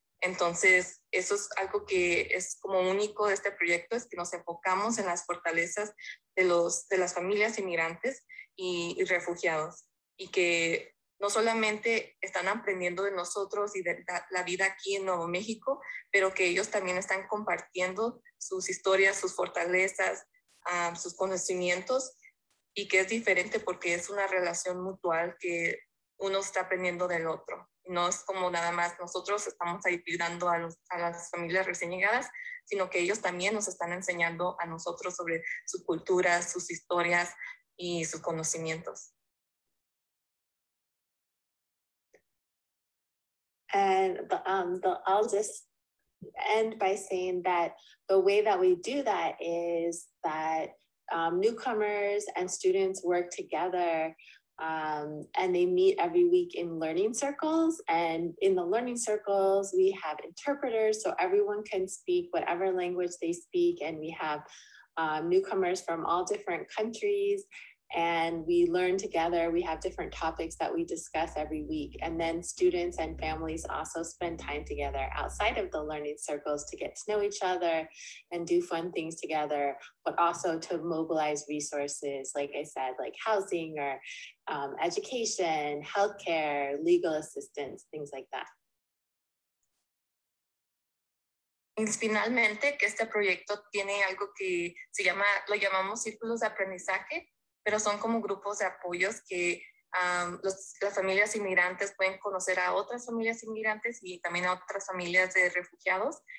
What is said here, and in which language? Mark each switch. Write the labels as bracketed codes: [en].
[es] Entonces, eso es algo que es como único de este proyecto, es que nos enfocamos en las fortalezas de las familias inmigrantes y refugiados y que no solamente están aprendiendo de nosotros y de la vida aquí en Nuevo México, pero que ellos también están compartiendo sus historias, sus fortalezas, sus conocimientos, y que es diferente porque es una relación mutual que uno está aprendiendo del otro. No es como nada más nosotros estamos ayudando a las familias recién llegadas, sino que ellos también nos están enseñando a nosotros sobre su cultura, sus historias y sus conocimientos. [en] And I'll just end by saying that the way that we do that is that newcomers and students work together and they meet every week in learning circles. And in the learning circles, we have interpreters so everyone can speak whatever language they speak. And we have newcomers from all different countries. and we learn together. We have different topics that we discuss every week. And then students and families also spend time together outside of the learning circles to get to know each other and do fun things together, but also to mobilize resources, like I said, like housing or education, healthcare, legal assistance, things like that. [es] Y finalmente, que este proyecto tiene algo que se llama, lo llamamos círculos de aprendizaje, pero son como grupos de apoyos que las familias inmigrantes pueden conocer a otras familias inmigrantes y también a otras familias de refugiados.